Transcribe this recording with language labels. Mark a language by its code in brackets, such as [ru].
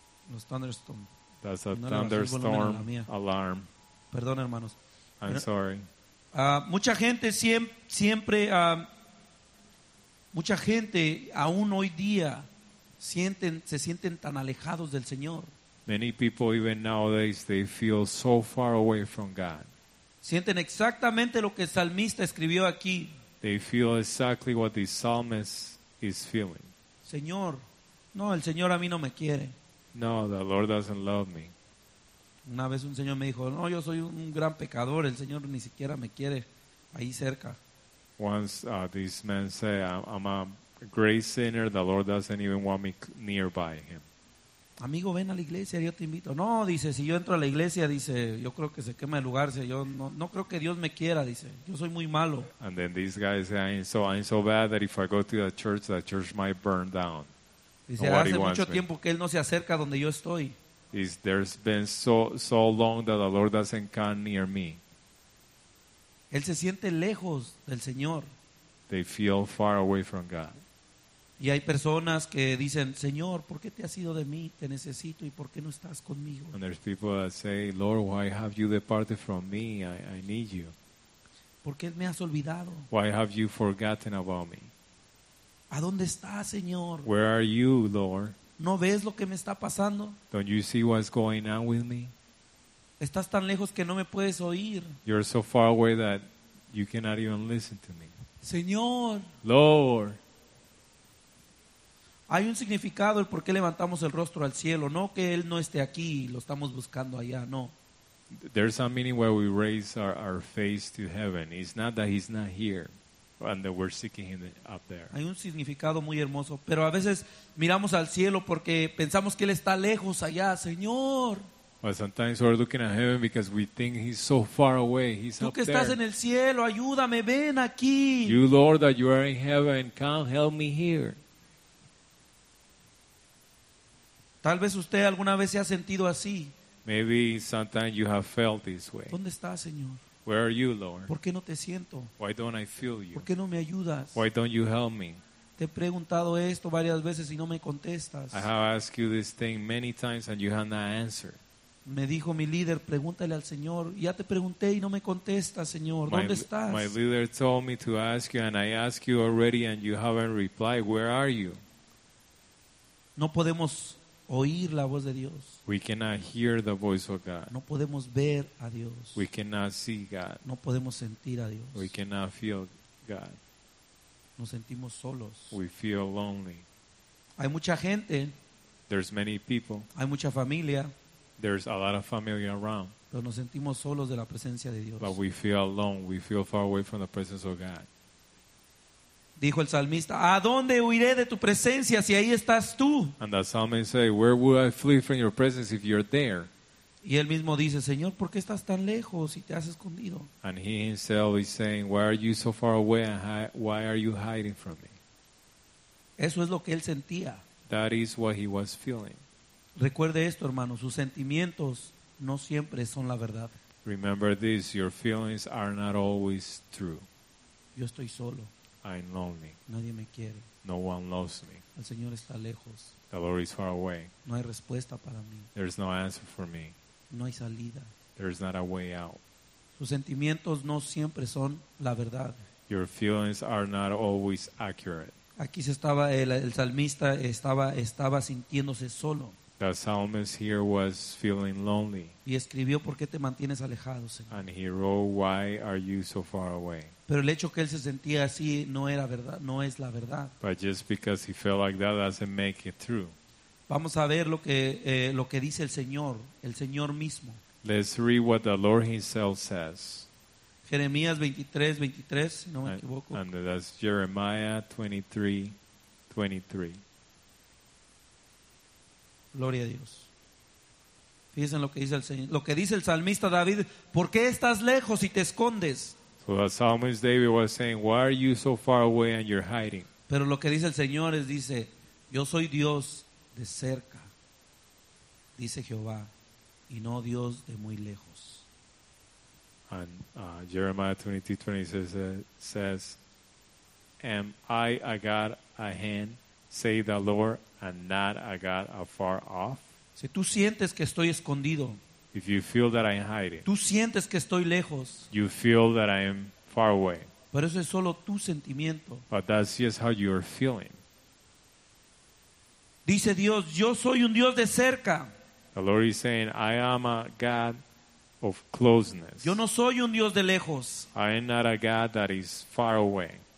[en] Los thunderstorm. That's a thunderstorm alarm. [es] Perdón, hermanos. [en] I'm sorry. [es] Mucha gente siempre, mucha gente aún hoy día se sienten tan alejados del Señor. [en] Many people even nowadays they feel so far away from God. [es] Sienten exactamente lo que el salmista escribió aquí. [en] They feel exactly what the psalmist is feeling. [es] Señor, no, el Señor a mí no me quiere. [en] No, the Lord doesn't love me. [es] Una vez un señor me dijo, no, yo soy un gran pecador, el Señor ni siquiera me quiere ahí cerca. [en] Once this man said, I'm a great sinner, the Lord doesn't even want me nearby him. [es] Amigo, ven a la iglesia, yo te invito. No, dice, si yo entro a la iglesia, dice, yo creo que se quema el lugar, dice, yo no creo que Dios me quiera, dice, yo soy muy malo. [en] And then this guy said, I'm so bad that if I go to the church might burn down. [es] Dice, nobody hace mucho tiempo que él no se acerca donde yo estoy. [en] Is there's been so long that the Lord doesn't come near me. [es] Él se siente lejos del Señor. [en] They feel far away from God. [es] Y hay personas que dicen, Señor, ¿por qué te has ido de mí? Te necesito y ¿por qué no estás conmigo? [en] And there's people that say, Lord, why have you departed from me? I need you. [es] ¿Por qué me has olvidado? [en] Why have you forgotten about me? [es] ¿A dónde estás, Señor? [en] Where are you, Lord? [es] ¿No ves lo que me está pasando? [en] Don't you see what's going on with me? [es] Estás tan lejos que no me puedes oír. [en] You're so far away that you cannot even listen to me. [es] Señor. [en] Lord. [es] Hay un significado el por qué levantamos el rostro al cielo. No que Él no esté aquí y lo estamos buscando allá, no. [en] There's a meaning where we raise our face to heaven. It's not that He's not here and that we're seeking Him up there. [es] Hay un significado muy hermoso. Pero a veces miramos al cielo porque pensamos que Él está lejos allá. Señor. [en] But sometimes we're looking at heaven because we think he's so far away. He's up there. [es] Estás en el cielo, ayúdame, ven aquí. [en] You Lord, that you are in heaven, come help me here. [es] Tal vez usted alguna vez se ha sentido así. [en] Maybe sometimes you have felt this way. [es] ¿Dónde está, Señor? [en] Where are you, Lord? [es] ¿Por qué no te siento? [en] Why don't I feel you? [es] ¿Por qué no me ayudas? [en] Why don't you help me? [es] Te he preguntado esto varias veces y no me contestas. [en] I have asked you this thing many times and you have not answered. [es] Me dijo mi líder, pregúntale al Señor. Ya te pregunté y no me contestas, Señor. ¿Dónde estás? [en] My leader told me to ask you and I asked you already and you haven't replied. Where are you? [es] No podemos oír la voz de Dios. [en] We cannot hear the voice of God. [es] No podemos ver a Dios. [en] We cannot see God. [es] No podemos sentir a Dios. [en] We cannot feel God. [es] Nos sentimos solos. [en] We feel lonely. [es] Hay mucha gente. [en] There's many people. [es] Hay mucha familia. [en] There's a lot of family around. [es] Pero nos sentimos solos de la presencia de Dios. [en] But we feel alone. We feel far away from the presence of God. [es] Dijo el salmista, ¿a dónde huiré de tu presencia si ahí estás tú? [en] And the psalmist say, where would I flee from your presence if you're there? [es] Y él mismo dice, Señor, ¿por qué estás tan lejos y te has escondido? [en] And he himself is saying, why are you so far away and why are you hiding from me? [es] Eso es lo que él sentía. [en] That is what he was feeling. [es] Recuerde esto, hermano, sus sentimientos no siempre son la verdad. [en] Remember this, your feelings are not always true. [es] Yo estoy solo. [en] I'm lonely. [es] Nadie me quiere. [en] No one loves me. [es] El Señor está lejos. [en] The Lord is far away. [es] No hay respuesta para mí. [en] There is no answer for me. [es] No hay salida. [en] There is not a way out. [es] Sus sentimientos no siempre son la verdad. [en] Your feelings are not always accurate. [es] Aquí se estaba el salmista estaba sintiéndose solo. [en] The psalmist here was feeling lonely. [es] Y escribió, ¿por qué te mantienes alejado, Señor? [en] And he wrote, why are you so far away? [es] Pero el hecho que él se sentía así no era verdad, no es la verdad. [en] But just because he felt like that doesn't make it true. [es] Vamos a ver lo que dice el Señor mismo. [en] Let's read what the Lord himself says. [es] Jeremías 23:23, si no me equivoco. [en] And that's Jeremiah 23:23. [es] Gloria a Dios. Fíjense lo que dice el Señor, lo que dice el salmista David, ¿por qué estás lejos y te escondes? [en] So the psalmist David was saying, why are you so far away and you're hiding? [es] Pero lo que dice el Señor es, dice, yo soy Dios de cerca, dice Jehová, y no Dios de muy lejos. [en] And Jeremiah 22:20 says, am I a God at hand, say the Lord, and not a God afar off? [es] Si tú sientes que estoy escondido, [en] if you feel that I'm hiding, [es] tú sientes que estoy lejos, [en] you feel that I am far away. [es] Pero eso es solo tu sentimiento. [en] But that's just how you are feeling. [es] Dice Dios, yo soy un Dios de cerca. [en] The Lord is saying, I am a God of closeness. [es] Yo no soy un Dios de lejos. [en] I am not a God that is far away.